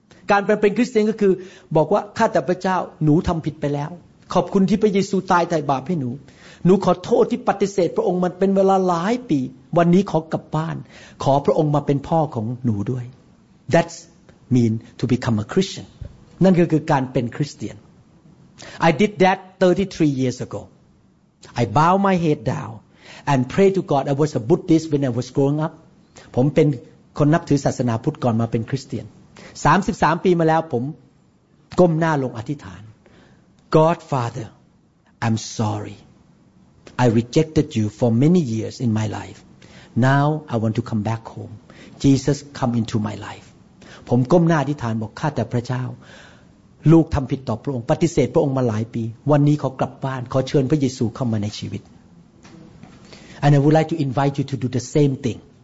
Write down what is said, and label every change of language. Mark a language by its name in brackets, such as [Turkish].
[Thai] การเป็นคริสเตียนก็คือบอกว่าข้าแต่พระเจ้าหนูทำผิดไปแล้วขอบคุณที่พระเยซูตายไถ่บาปให้หนูหนูขอโทษที่ปฏิเสธพระองค์มันเป็นเวลาหลายปีวันนี้ขอกลับบ้านขอพระองค์มาเป็นพ่อของหนูด้วย [English] That means to become a Christian. [Thai] นั่นคือการเป็นคริสเตียน I did that 33 years ago. [English] I bowed my head down and prayed to God. I was a Buddhist when I was growing up. [Thai] ผมเป็นคนนับถือศาสนาพุทธก่อนมาเป็นคริสเตียน33ปีมาแล้วผมก้มหน้าลงอธิษฐาน [English] God Father, I'm sorry. I rejected you for many years in my life. Now I want to come back home. Jesus, come into my life. [Thai] ผมก้มหน้าอธิษฐานบอกข้าแต่พระเจ้าลูกทำผิดต่อพระองค์ปฏิเสธพระองค์มาหลายปีวันนี้ขอกลับบ้านขอเชิญพระเยซูเข้ามาในชีวิต [English] And I would like to invite you to do the same thing.